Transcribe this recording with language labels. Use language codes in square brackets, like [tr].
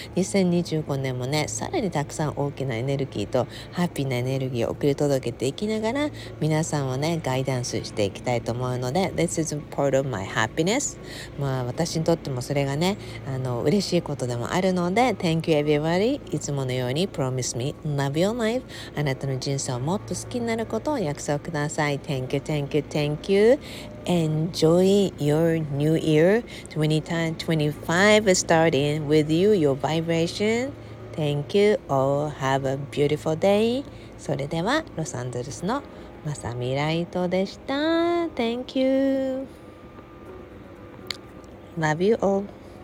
[ja] 2025年もね、さらにたくさん大きなエネルギーとハッピーなエネルギーを送り届けていきながら、皆さんをね、ガイダンスしていきたいと思うので、 [en] This is part of my happiness。 [ja] まあ私にとってもそれがね、嬉しいことでもあるので、 [en] Thank you everybody。 [ja] いつものように [en] Promise me love your life。 [ja] あなたの人生をもっと好きになることを約束ください。 [en] Thank you, thank you, thank you。 Enjoy your new year。 2025 is starting with you, your vibration。 Thank you all, have a beautiful day。 [ja] それでは、ロサンゼルスのマサミライトでした。 [en] Thank you, love you all。